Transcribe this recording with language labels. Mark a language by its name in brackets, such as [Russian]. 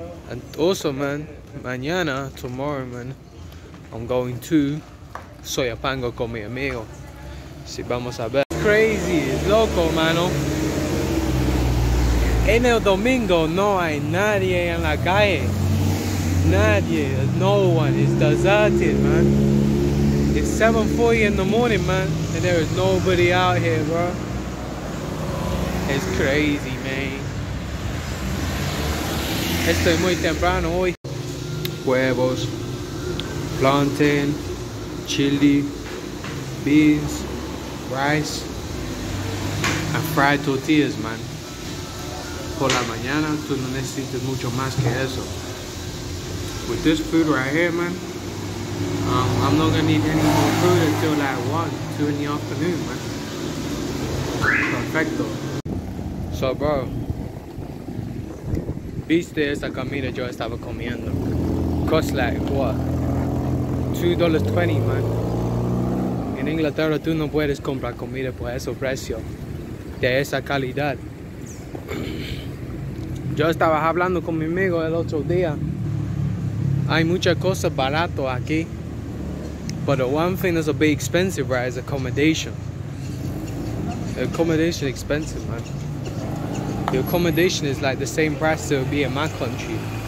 [English] And also, man, [Spanish] mañana, [English] tomorrow, man, I'm going to Soyapango [Spanish] con mi amigo. Si vamos a ver. [English] Crazy, [Spanish] es loco, mano. En el domingo no hay nadie en la calle. Nadie, [English] no one, it's deserted, man. It's 7:40 in the morning, man, and there is nobody out here, bro. It's crazy, man. [Spanish] Estoy muy temprano hoy. Huevos, [English] plantain, chili, beans, rice, and fried tortillas, man. [Spanish] Por la mañana, tú no necesitas mucho más que eso. [English] With this food right here, man, I'm not gonna need any more food until like 1, 2 in the afternoon, man. [Spanish] Perfecto. [English] So, bro. [Spanish] Viste esta comida yo estaba comiendo. [English] Cost like what? $2.20, man. [Spanish] En Inglaterra tú no puedes comprar comida por ese precio. De esa calidad. Yo estaba hablando con mi amigo el otro día. Hay muchas cosas barato aquí. [English] But the one thing that's a bit expensive, right, is accommodation. Accommodation expensive, man. The accommodation is like the same price that it would be in my country.